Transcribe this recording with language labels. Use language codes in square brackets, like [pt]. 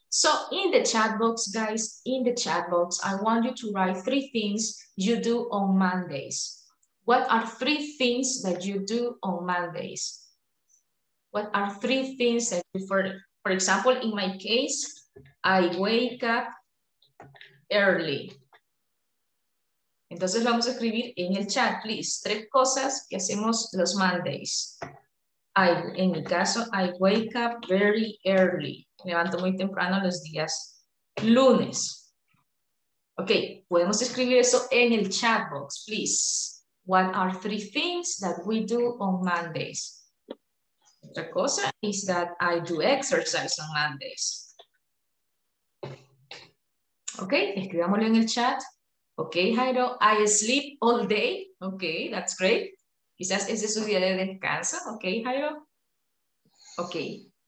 [en] So, in the chat box, guys, in the chat box, I want you to write three things you do on Mondays. What are three things that you do on Mondays? What are three things that you, for example, in my case, I wake up early. [es] Entonces vamos a escribir en el chat, please. Tres cosas que hacemos los Mondays. En mi caso, [en] I wake up very early. [es] Me levanto muy temprano los días lunes. Okay, podemos escribir eso en el chat box, please. [en] What are three things that we do on Mondays? [es] Otra cosa [en] is that I do exercise on Mondays. [es] Okay, escribámoslo en el chat. Okay, Jairo, [en] I sleep all day. [es] Okay, [en] that's great. [es] Quizás ese es su día de descanso. Okay, Jairo. Okay.